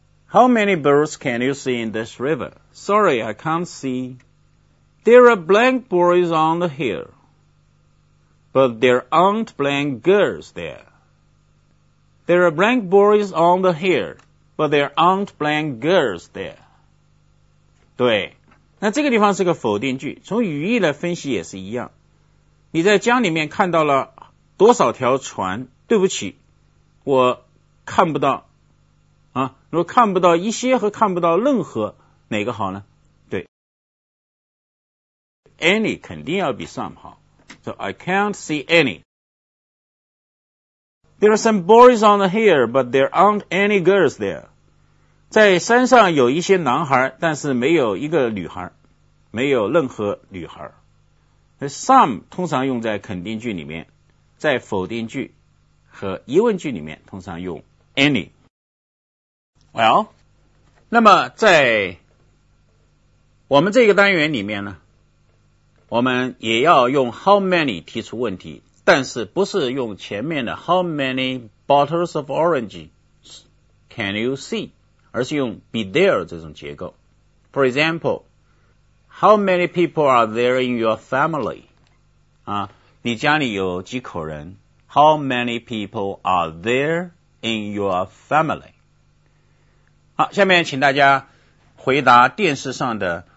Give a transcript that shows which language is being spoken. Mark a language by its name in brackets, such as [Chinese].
[English] How many boats can you see in this river? Sorry, I can't see. There are blank boys on the hill, but there aren't blank girls there. There are blank boys on the hill, but there aren't blank girls there. [Chinese] 对，那这个地方是个否定句，从语义来分析也是一样。你在江里面看到了多少条船？对不起，我看不到。啊，如果看不到一些和看不到任何，哪个好呢？ [English] Any [Chinese] 肯定要比 [English] some 好 ，so I can't see any. There are some boys on the hill, but there aren't any girls there. [Chinese] 在山上有一些男孩，但是没有一个女孩，没有任何女孩。那 some 通常用在肯定句里面，在否定句和疑问句里面通常用 any. Well, 那么在我们这个单元里面呢？我们也要用 [English] how many 提出问题，但是不是用前面的 how many bottles of oranges can you see， [Chinese] 而是用 be there 这种结构。 [English] For example, how many people are there in your family？啊， [Chinese] 你家里有几口人 [English] ？How many people are there in your family？ [Chinese] 好，下面请大家回答电视上的。